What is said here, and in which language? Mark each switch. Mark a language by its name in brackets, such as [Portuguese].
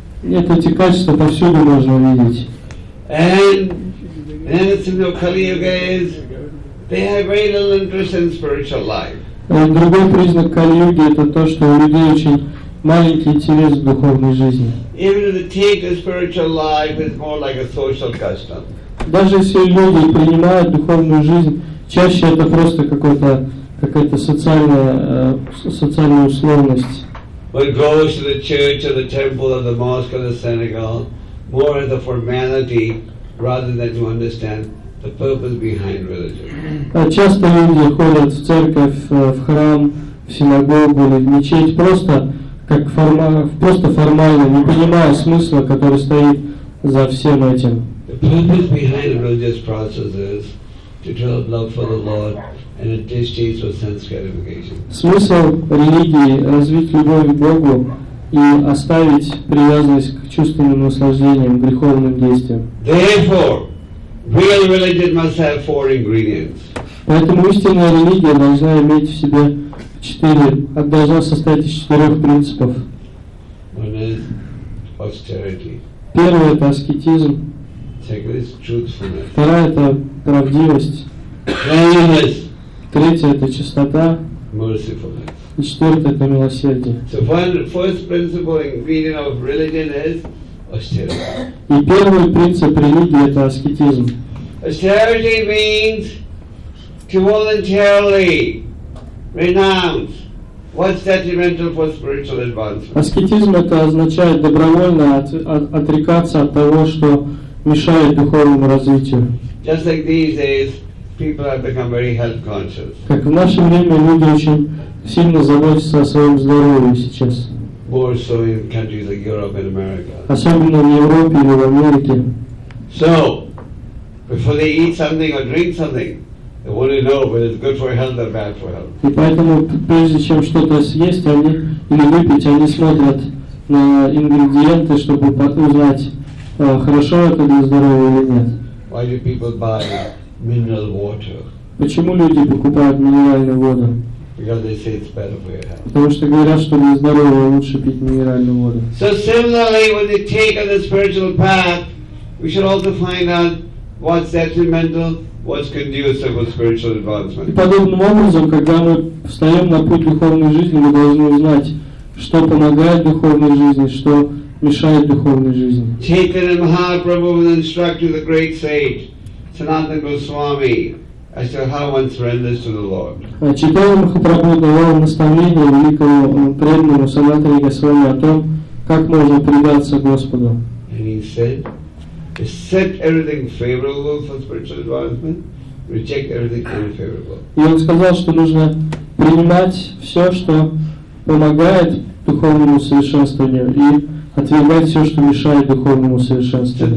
[Russian] Нет, эти качества повсюду можно видеть. [English] And then it's in the Kali Yuga is they have very little interest in spiritual life. [Russian] Другой признак Кали Юги — это то, что у людей очень маленький интерес к духовной жизни. [English] Even if they take the spiritual life, it's more like a social custom. [Russian] Даже если люди принимают духовную жизнь, чаще это просто какая-то социальная условность. [English] One goes to the church or the temple or the mosque or the synagogue more as a formality rather than to understand the purpose behind religion. [Russian] Часто люди ходят в церковь, в храм, в синагогу или в мечеть просто формально, не понимая смысла, который стоит за всем этим. [English] The purpose behind the religious process is to develop love for the Lord and a distaste for sense gratification. [Russian] Смысл религии — развить любовь к Богу и оставить привязанность к чувственным наслаждениям, греховным действиям. [English] Therefore, real religion must have four ingredients. [Russian] Поэтому истинная религия должна иметь в себе четыре, должна состоять из четырех принципов. [English] One is austerity. [Russian] Первое — это аскетизм. [English] Second is truthfulness. [Russian] Вторая — это правдивость. [English] Cleanliness. [Russian] Третье — это чистота. [English] Mercifulness. [Russian] И четвертое — это милосердие. [English] So first principle ingredient of religion is austerity. [Russian] И первый принцип религии — это аскетизм. [English] Austerity means to voluntarily renounce what's detrimental for spiritual advancement. [Russian] Аскетизм — это означает добровольно отрекаться от того, что мешает духовному развитию. [English] Just like these days, people have become very health conscious. [Russian] Как в наше время люди очень сильно заботятся о своем здоровье сейчас. [English] More so in countries like Europe and America. [Russian] Особенно в Европе или в Америке. [English] So, before they eat something or drink something, they want to know whether it's good for health or bad for health. [Russian] И поэтому, прежде чем что-то съесть они или выпить, они смотрят на ингредиенты, чтобы узнать, хорошо это для здоровья или нет. [English] Why do people buy mineral water? [Russian] Почему люди покупают минеральную воду? [English] Because they say it's better for your health. [Russian] Потому что говорят, что для здоровья лучше пить минеральную воду. [English] So similarly, when they take on the spiritual path, we should also find out what's detrimental, what's conducive for spiritual advancement. [Russian] И подобным образом, когда мы встаем на путь духовной жизни, мы должны узнать, что помогает духовной жизни, что мешает духовной жизни. [English] Chaitanya Mahaprabhu was instructed the great sage Sanatana Goswami as to how one surrenders to the Lord. [Russian] Chaitanya Mahaprabhu давал наставление великому преданному Санатане Госвами о том, как можно предаться Господу. [English] And he said, accept everything favorable for spiritual advancement, reject everything unfavorable. [Russian] И он сказал, что нужно принимать все, что помогает духовному совершенствованию, и отвергать все, что мешает духовному совершенствованию.